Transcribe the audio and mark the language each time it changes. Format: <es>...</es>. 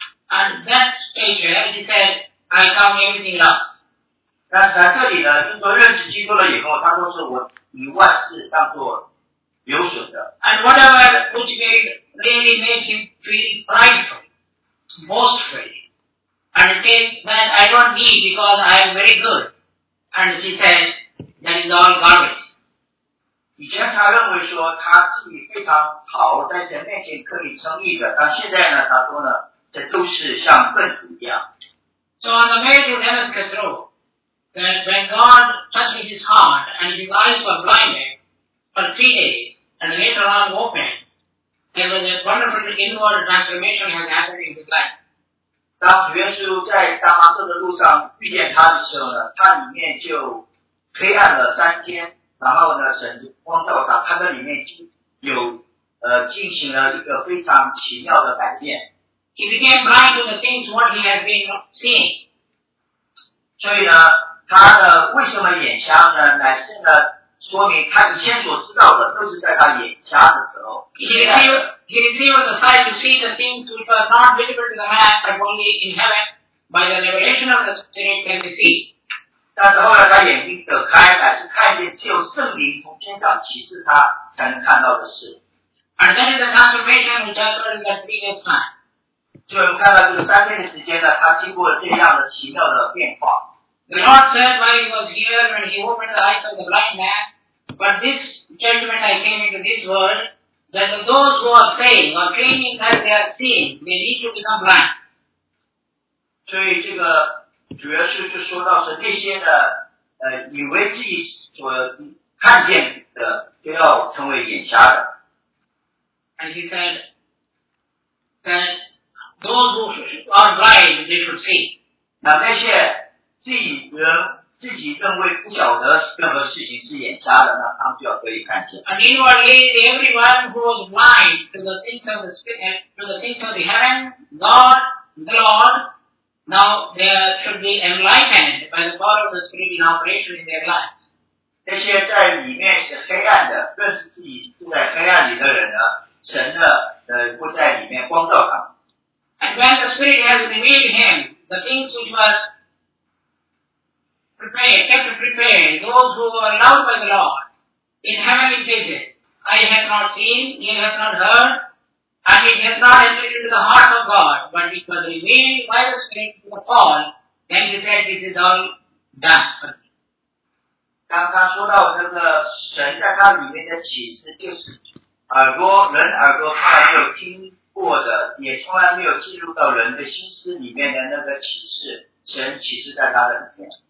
<en>And that stage, he said, "I count everything loss."</en> <zh>但是在这里呢，就说认识基督了以后，他说是我以万事当作有损的。</zh> <en>And whatever which made really made him feel prideful, boastful, and said that I don't need because I am very good. And he said, "That is all garbage."</en> <zh>以前他认为说他自己非常好，在神面前可以称义的，但现在呢，他说呢，这都是像粪土一样。</zh> <en>So on the way to Damascus Road, that when God touched his heart and his eyes were blinded for 3 days, and later on opened, there was a wonderful inward transformation that happened in his life.</en> <zh>当主耶稣在大马士革路上遇见他的时候呢，他里面就黑暗了3天。然后呢，神光照他，他的里面进行了一个非常奇妙的改变。</zh> <en>He became blind to the things what he has been seeing.</en> <zh>所以呢，他的为什么眼瞎呢？乃是呢，说明他以前所知道的都是在他眼瞎的时候。</zh> <en>He received the sight to see the things which are not visible to the man, but only in heaven by the revelation of the Spirit can be seen.</en> <zh>但是后来他眼睛得开，乃是看见只有圣灵从天上启示他才能看到的事。</zh> <en>And that is the transformation which happened in the previous time.</en> <zh>所以我们看到这个三天的时间呢，他经过了这样的奇妙的变化。</zh> <en>The Lord said when he was here when he opened the eyes of the blind man, but this judgment I came into this world that those who are praying or training as they are seeing, they need to become blind.</en> <zh>所以这个主要是就说到是那些的以为自己所看见的都要成为眼瞎的。</zh> <en>And he said that those who are blind, they should see.</en> <zh>那那些自己人自己认为不晓得任何事情是眼瞎的，那他们就要可以看见。</zh> <en>And inwardly, everyone who is blind to the things of the spirit, to the things of the heaven, God, the Lord, now they should be enlightened by the power of the spirit in operation in their lives.</en> <zh>这些在里面是黑暗的，认识自己住在黑暗里的人呢，神的不在里面光照他。</zh> <en>And when the spirit has revealed him the things which was prepared, those who were loved by the Lord in heavenly places, eye has not seen, ear has not heard, and it has not entered into the heart of God, but it was revealed by the spirit to the Paul. Then he said, "This is all done for me."</en> <zh>刚刚说到这个神在他里面的启示，就是耳朵人耳朵从来没有听过的，也从来没有进入到人的心思里面的那个启示，神启示在他的里面。</zh>